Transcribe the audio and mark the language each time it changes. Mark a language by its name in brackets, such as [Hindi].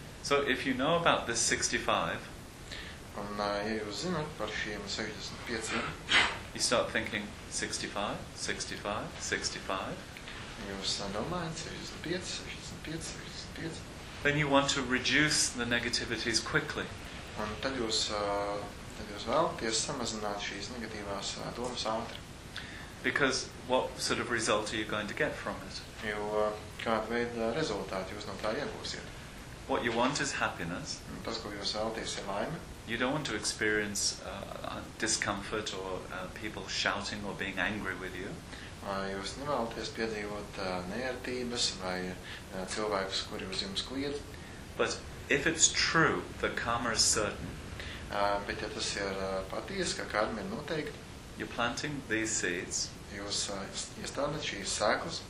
[English] So if you know about this 65, [Latvian] un ja jūs zināt par šiem 65, [English] you start thinking 65, 65, 65. [Latvian] Jūs domājat 65, 65, 65. [English] Then you want to reduce the negativities quickly. [Latvian] Un tad jūs vēlaties samazināt šīs negatīvās domas ātri. [English] Because what sort of result are you going to get from it? [Latvian] Jo kādu veidu rezultātu jūs no tā iegūsiet? [English] What you want is happiness. [Latvian] Tas, ko jūs vēlaties, ir laime. [English] You don't want to experience discomfort or people shouting or being angry with you. [Latvian] Jūs nevēlaties piedzīvot nērtības vai cilvēkus, kuri uz jums kliet. [English] But if it's true, the karma is certain. [Latvian] Bet ja tas ir patiesi, ka karma ir noteikta. [English] You're planting these seeds. [Latvian] Jūs iestādāt šīs sēklas.